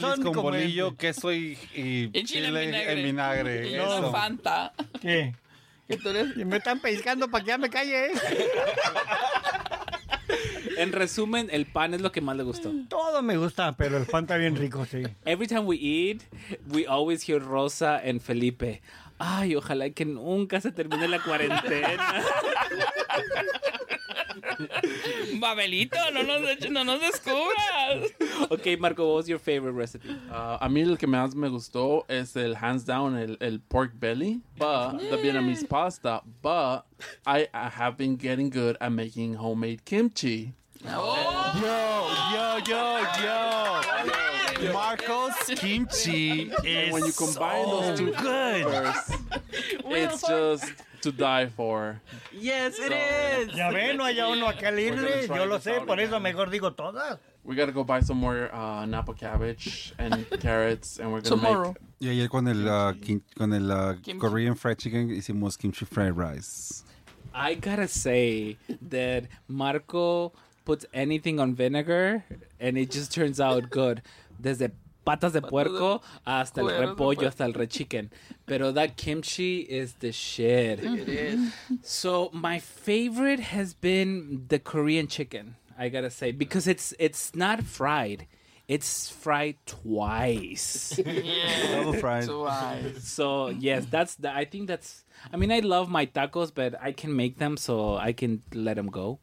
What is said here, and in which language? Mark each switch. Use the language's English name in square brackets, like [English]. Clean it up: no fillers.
[Spanish] son con bolillo, queso y chile en vinagre. Y no. Eso. Fanta. ¿Qué? ¿Que tú eres? Y me están pellizcando para que ya me calle. En resumen, el pan es lo que más le gustó. Todo me gusta, pero el pan está bien rico, sí. [English] Every time we eat, we always hear Rosa and Felipe. [Spanish] Ay, ojalá que nunca se termine la cuarentena. Babelito, no nos descubras. [English] Ok, Marco, what was your favorite recipe? [Spanish] A mí el que más me gustó es el [English] hands down, el pork belly, but the Vietnamese pasta, but I have been getting good at making homemade kimchi. Oh. Yo. Marco's kimchi is when you combine so those two good. Flavors, it's just to die for. Yes, it is. [Spanish] Ya ven, no haya uno a calirle. Yo lo sé, por eso mejor digo todas. [English] We gotta go buy some more Napa cabbage and carrots, and we're gonna tomorrow. Make. Tomorrow. Yeah, [Spanish] con el [English] Korean fried chicken [Spanish] hicimos [English] kimchi fried rice. I gotta say that Marco puts anything on vinegar and it just turns out good. [Spanish] Desde patas de puerco hasta el repollo, hasta el rechicken. Pero [English] that kimchi is the shit. It is. So my favorite has been the Korean chicken, I gotta say. Because it's not fried. It's fried twice. Yeah. Double fried. Twice. So yes, I love my tacos, but I can make them, so I can let them go.